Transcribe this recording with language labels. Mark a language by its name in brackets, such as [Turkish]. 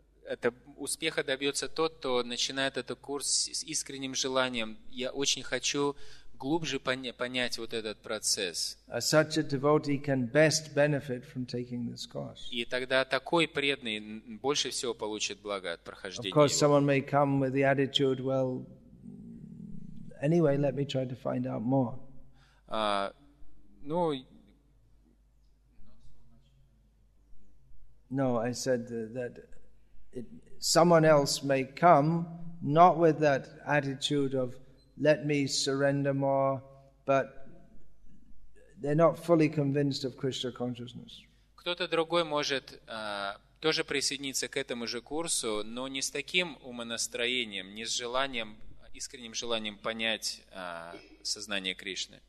[Russian] Это успеха добьется тот, кто начинает этот курс с искренним желанием. Я очень хочу глубже понять вот этот процесс. [English] Such a devotee can best benefit from taking this course. [Russian] И тогда такой преданный больше всего получит благо от прохождения. [English] Of course, someone may come with the attitude, well, anyway, let me try to find out more. Ну, No, I said that someone else may come, not with that attitude of let me surrender more, but they're not fully convinced of Krishna consciousness. [Russian] Кто-то другой может тоже присоединиться к этому же курсу, но не с таким умонастроением, не с желанием, искренним желанием понять сознание Кришны.